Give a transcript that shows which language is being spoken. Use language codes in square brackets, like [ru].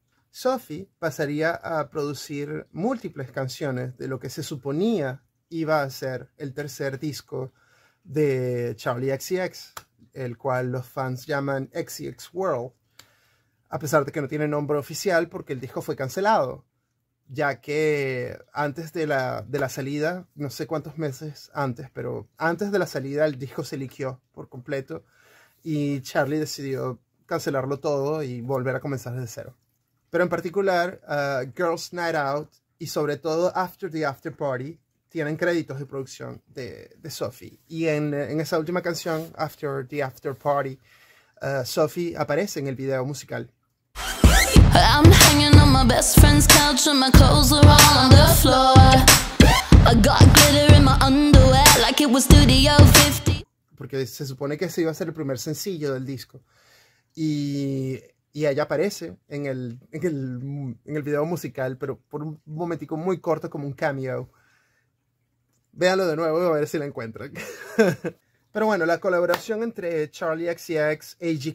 [es] Sophie pasaría a producir múltiples canciones de lo que se suponía iba a ser el tercer disco de Charlie XCX, el cual los fans llaman XCX World, a pesar de que no tiene nombre oficial porque el disco fue cancelado, ya que antes de la salida, no sé cuántos meses antes, pero antes de la salida el disco se liqueó por completo y Charlie decidió cancelarlo todo y volver a comenzar desde cero. Pero en particular, Girls Night Out y sobre todo After the After Party tienen créditos de producción de Sophie. Y en esa última canción, After the After Party, Sophie aparece en el video musical. [en] I'm hanging on my best friend's couch and my clothes are all on the floor. I got glitter in my underwear like it was Studio 50. [es] Porque se supone que ese iba a ser el primer sencillo del disco. Y ella aparece en el video musical, pero por un momentico muy corto, como un cameo. Véanlo de nuevo y a ver si la encuentran. Pero bueno, la colaboración entre Charlie XCX, A.G.